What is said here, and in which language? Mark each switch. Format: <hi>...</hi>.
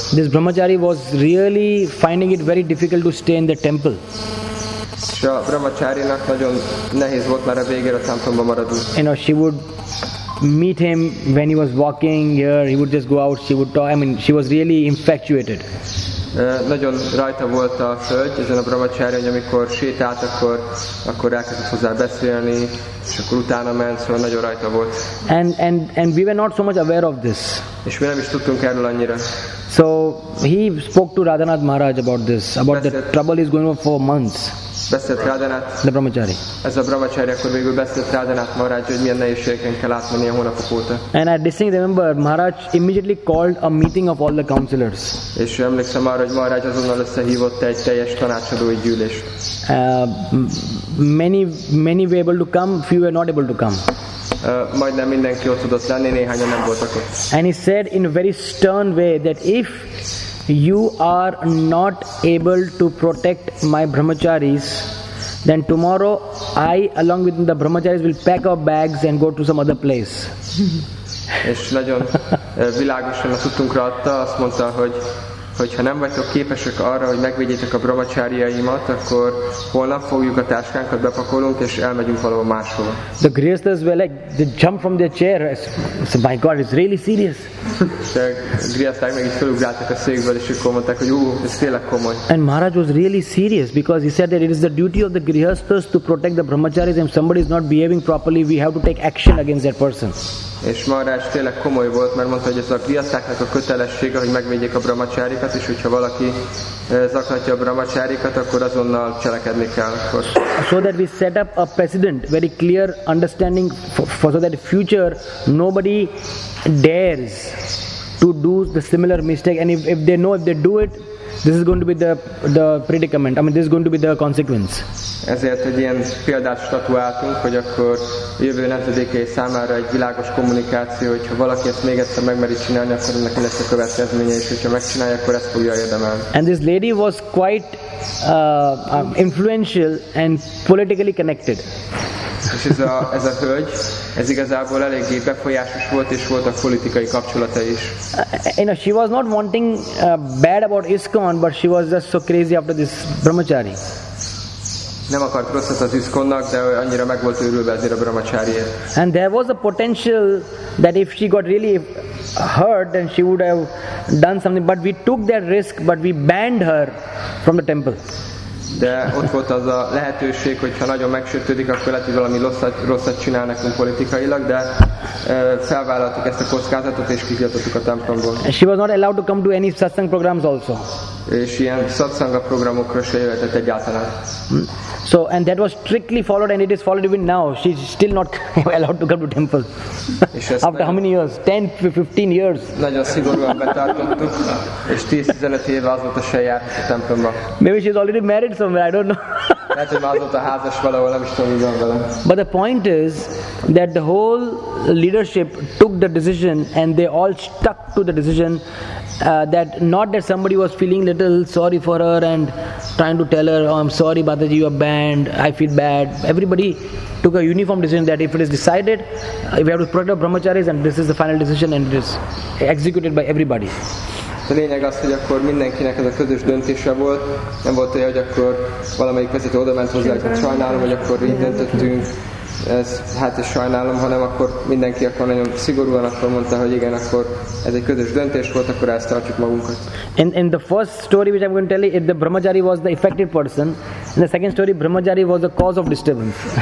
<en>This brahmachari was really finding it very difficult to stay in the temple.</en> <hu>A brahmacharinak nagyon nehéz volt már a végére a templomba maradni.</hu> <en>You know, she would meet him when he was walking here, he would just go out, she would talk, I mean, she was really infatuated.</en> <hu>Nagyon rajta volt a hölgy ezen a brahmacsári, hogy amikor sétált, akkor elkezdett hozzá beszélni, és akkor utána ment, szóval nagyon rajta volt.</hu> <en>And we were not so much aware of this.</en> <hu>És mi nem is tudtunk erről annyira.</hu> <en>So he spoke to Radhanath Maharaj about this, about the trouble is going on for months.</en> <hu>Beszélt Radhanath.</hu> <en>The brahmacsári.</en> <hu>Ez a brahmacsári akkor végül beszélt Radhanath Maharaj, hogy milyen nehézségeken kell átmenni a hónapok óta.</hu> <en>And I distinctly remember Maharaj immediately called a meeting of all the counselors.</en> <hu>És emlékszem arra, hogy Maharaj azonnal összehívott egy teljes tanácsadói gyűlést.</hu> <en>Many were able to come, few were not able to come.</en> <hu>Majdnem mindenki ott tudott lenni, néhányan nem voltak ott.</hu> <en>And he said in a very stern way that if you are not able to protect my brahmacharis, then tomorrow I along with the brahmacharis will pack our bags and go to some other place.</en> <hu>És nagyon világosan a tudtunkra adta, azt mondta, hogy ha nem vagytok képesek arra, hogy megvédjétek a brahmacháriaimat, akkor holnap fogjuk a táskánkat, bepakolunk és elmegyünk valahol máshova.</hu> <en>The grihasthas were like, they jumped from their chair. I said, my God, it's really serious.</en> <hu>A grihasthák meg is felugráltak a székből, és akkor mondták, hogy ez tényleg komoly.</hu> <en>And Maharaj was really serious because he said that it is the duty of the grihasthas to protect the brahmacharis. If somebody is not behaving properly, we have to take action against that person.</en> <hu>És Maharaj tényleg komoly volt, mert mondta, hogy ez a grihasztáknak a kötelessége, hogy megvédjék a brahmacsárikat, és hogyha valaki zaklatja a brahmacsárikat, akkor azonnal cselekedni kell.</hu> <en>So that we set up a precedent, very clear understanding, for so that future nobody dares to do the similar mistake, and if they know, if they do it, this is going to be the predicament. I mean, this is going to be the consequence.</en> <hu>Ezért egy ilyen példát statuáltunk, hogy akkor jövő nemzedékei számára egy világos kommunikáció, hogyha valaki ezt még egyszer megmeri csinálni, akkor ennek lesz a következménye, és hogyha megcsinálja, akkor ezt fogja érdemelni.</hu> <en>And this lady was quite influential and politically connected.</en> <hu>És ez a hölgy, ez igazából eléggé befolyásos volt, és voltak politikai kapcsolata is.</hu> <en>You know, she was not wanting bad about ISKCON, but she was just so crazy after this brahmachari.</en> <hu>Nem akart rosszat az ISKCON-nak, de annyira meg volt őrülve ezért a brahmacháriért.</hu> <en>And there was a potential that if she got really hurt, then she would have done something. But we took that risk, but we banned her from the temple.</en> <hu>De ott volt az a lehetőség, hogyha nagyon megsértődik, akkor lehet, hogy valami rosszat csinál nekünk politikailag, de felvállaltuk ezt a kockázatot és kitiltottuk a templomból.</hu> <en>She was not allowed to come to any satsang programs also.</en> <hu>És ilyen satsanga programokra se jöhetett egyáltalán.</hu> <en>So, and that was strictly followed, and it is followed even now. She is still not allowed to come to temple. After how many years? 10-15 years.</en> <hu>Nagyon szigorúan betartottuk, és 10-15 éve azóta se jár a templomba.</hu> <en>Maybe she is already married somewhere, I don't know.</en> <hu>Lehet, hogy már azóta házas valahol, nem is tudom, mi van vele.</hu> <en>But the point is that the whole leadership took the decision, and they all stuck to the decision. That not that somebody was feeling little sorry for her and trying to tell her, oh, I'm sorry Bataji, you are banned, I feel bad. Everybody took a uniform decision that if it is decided, if we have to protect our brahmacharis, and this is the final decision, and it is executed by everybody.</en> <hu>A lényeg az, hogy akkor mindenkinek ez a közös döntése volt. Nem volt olyan, hogy akkor valamelyik vezető oda ment hozzá, hogy sajnálom, hogy akkor így döntöttünk. Ez hát is sajnálom, hanem akkor mindenki akkor nagyon szigorúan akkor mondta, hogy igen, akkor ez egy közös döntés volt, akkor ezt tartjuk magunkat.</hu> <en>In the first story which I'm going to tell you, the brahmachari was the affected person. In the second story, brahmachari was the cause of disturbance.</en>